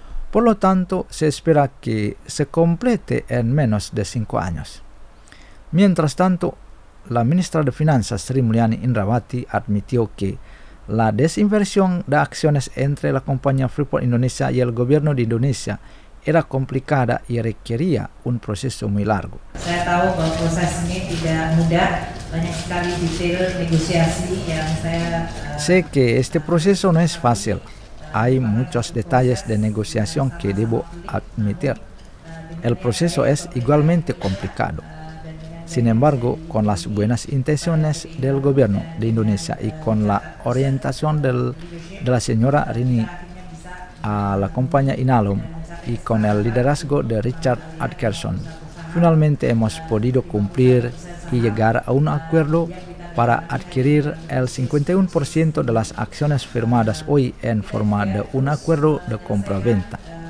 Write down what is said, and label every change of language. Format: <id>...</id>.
<es>Por lo tanto, se espera que se complete en menos de 5 años. Mientras tanto, la ministra de Finanzas, Sri Mulyani Indrawati, admitió que la desinversión de acciones entre la compañía Freeport Indonesia y el gobierno de Indonesia era complicada y requería un proceso muy largo.</es> <id>Saya tahu bahwa proses ini tidak mudah, banyak sekali detail negosiasi yang saya.</id> <es>Sé que este proceso no es fácil. Hay muchos detalles de negociación que debo admitir. El proceso es igualmente complicado. Sin embargo, con las buenas intenciones del gobierno de Indonesia y con la orientación de la señora Rini a la compañía Inalum y con el liderazgo de Richard Atkerson, finalmente hemos podido cumplir y llegar a un acuerdo para adquirir el 51% de las acciones firmadas hoy en forma de un acuerdo de compra-venta.</es>